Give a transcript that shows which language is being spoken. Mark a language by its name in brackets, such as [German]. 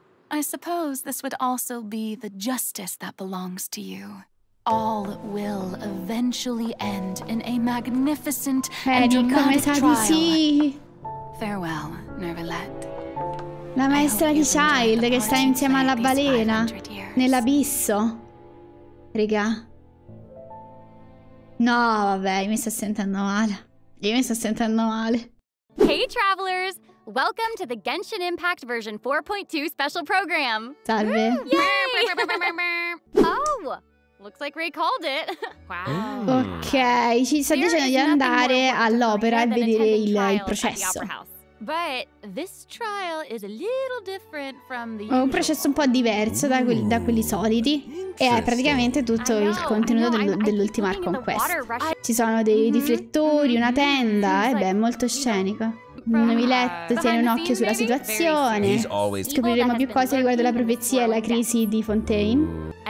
[English] I suppose this would also be the justice that belongs to you. All will eventually end in a magnificent and eternal trial. Farewell, Nervalette. [Italian] La maestra di Child che sta insieme alla balena nell'abisso. Regà. No, vabbè, mi sto sentendo male. [English] Hey travelers, welcome to the Genshin Impact version 4.2 special program. [Italian] Salve. [English] Yay! Oh, looks like Ray called it. Wow. [Italian] Ok, ci sta dicendo di andare all'opera e vedere il processo. [English] But this trial is a little different from the [Italian] un processo un po' diverso da quelli soliti. E è praticamente tutto il contenuto dell'ultima Archon Quest. Ci sono dei riflettori, una tenda, e beh, molto scenico. Un novilette tiene un occhio sulla situazione. Scopriremo più cose riguardo la profezia e la crisi di Fontaine.